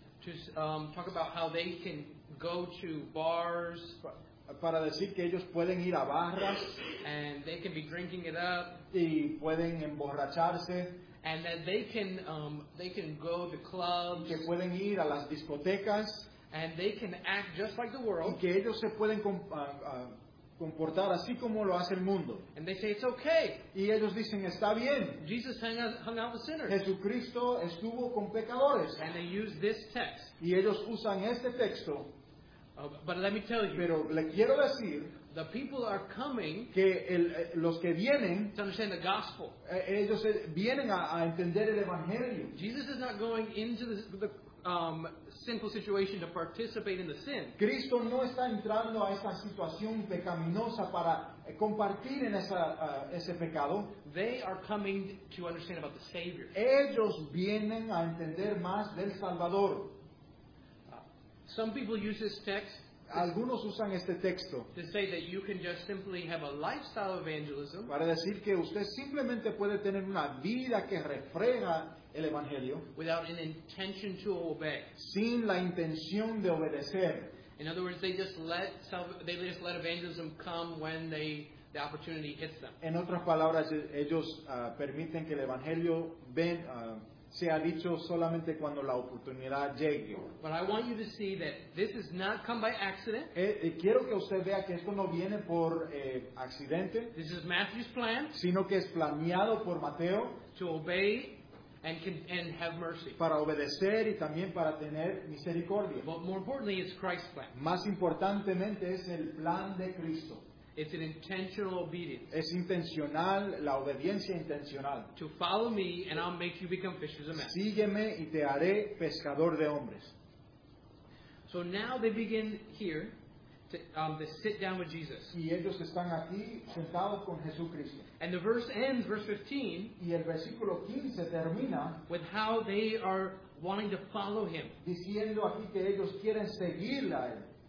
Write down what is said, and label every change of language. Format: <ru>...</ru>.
<en>to talk about how they can go to bars,</en> <es>para decir que ellos pueden ir a barras,</es> <en>and they can be drinking it up,</en> <es>y pueden emborracharse.</es> <en>And that they can go to clubs,</en> <es>que pueden ir a las discotecas,</es> <en>and they can act just like the world,</en> <es>y que ellos se pueden comportar así como lo hace el mundo.</es> <en>And they say it's okay.</en> <es>Y ellos dicen está bien.</es> <en>Jesus hung out with sinners.</en> <es>Jesucristo estuvo con pecadores.</es> <en>And they use this text.</en> <es>Y ellos usan este texto.</es> <en>But let me tell you.</en> <es>Pero le quiero decir.</es> <en>The people are coming</en> <es>que el, los que vienen,</es> <en>to understand the gospel.</en> <es>Ellos vienen a entender el evangelio.</es> <en>Jesus is not going into the sinful situation to participate in the sin.</en> <es>Cristo no está entrando a esa situación pecaminosa para compartir en esa, ese pecado.</es> <en>They are coming to understand about the Savior.</en> <es>Ellos vienen a entender más del Salvador.</es> <en>Some people use this text.</en> <es>Algunos usan este texto</es> <en>to say that you can just simply have a lifestyle evangelism,</en> <es>para decir que usted simplemente puede tener una vida que refleja el evangelio,</es> <en>without an intention to obey,</en> <es>sin la intención de obedecer.</es> <en>In other words, they just let evangelism come when the opportunity hits them.</en> <es>En otras palabras, ellos permiten que el evangelio se ha dicho solamente cuando la oportunidad llegue.</es> <en>But I want you to see that this has not come by accident.</en> <es>Quiero que usted vea que esto no viene por accidente.</es> <en>This is Matthew's plan.</en> <es>Sino que es planeado por Mateo.</es> <en>To obey and have mercy.</en> <es>Para obedecer y también para tener misericordia.</es> <en>But more importantly, it's Christ's plan.</en> <es>Más importantemente es el plan de Cristo.</es> <en>It's an intentional obedience.</en> <es>Es intencional, la obediencia intencional.</es> <en>To follow me and I'll make you become fishers of men.</en> <es>Sígueme y te haré pescador de hombres.</es> <en>So now they begin here to sit down with Jesus.</en> <es>Y ellos están aquí sentados con Jesucristo.</es> <en>And the verse ends, verse 15,</en> <es>y el versículo 15 termina</es> <en>with how they are wanting to follow him.</en> <es>Diciendo aquí que ellos quieren seguir a él.</es>